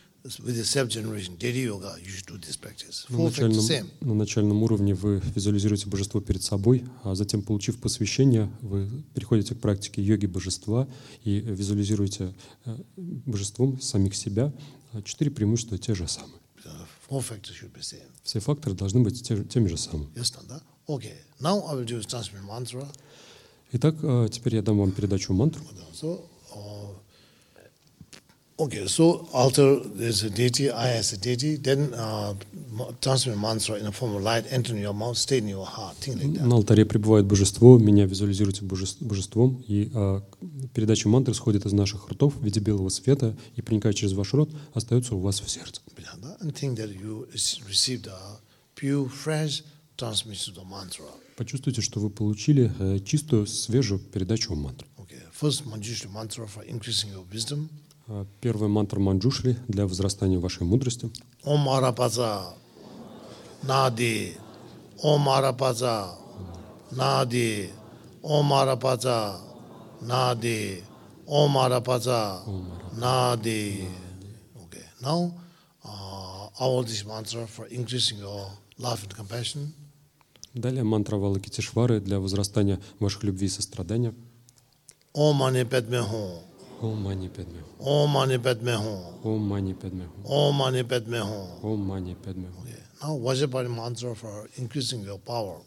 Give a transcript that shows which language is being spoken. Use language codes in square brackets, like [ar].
[ru] На начальном уровне вы визуализируете божество перед собой, а затем, получив посвящение, вы переходите к практике йоги божества и визуализируете божеством самих себя. Четыре преимущества те же самые. [en] Four factors should be same. [ru] Все факторы должны быть теми же самыми. [en] Yes, no, that? Okay. Now I will do transmit mantra. [ru] Итак, теперь я дам вам передачу мантру. [en] So, okay, so altar is a deity, I as a deity, then transmit mantra in the form of light, enter in your mouth, stay in your heart, thing like that. [ru] На алтаре пребывает божество, меня визуализируете божеством, и передача мантры сходит из наших ртов в виде белого света и проникает через ваш рот, остается у вас в сердце. [en] And think that you received a pure, fresh transmission of the mantra. [ru] Почувствуйте, что вы получили чистую, свежую передачу мантры. [en] Okay, first Manjushri mantra for increasing your wisdom. [ru] Первая мантра Манджушри для возрастания вашей мудрости. [sa] Ом Арапаза Нади. Ом Арапаза Нади. Ом Арапаза Нади. Ом Арапаза Нади. [en] Okay. Now, all this mantra for increasing your love and compassion. [ru] Далее мантра Валакитишвары для возрастания ваших любви и сострадания. [sa] Ом Мани Падме Хум. Ом Мани Падме Хум. Ом Мани Падме Хум. Ом Мани Падме Хум. Ом Мани Падме Хум. Ом Мани Падме Хум. [en] Now Vajrapani mantra for increasing your power.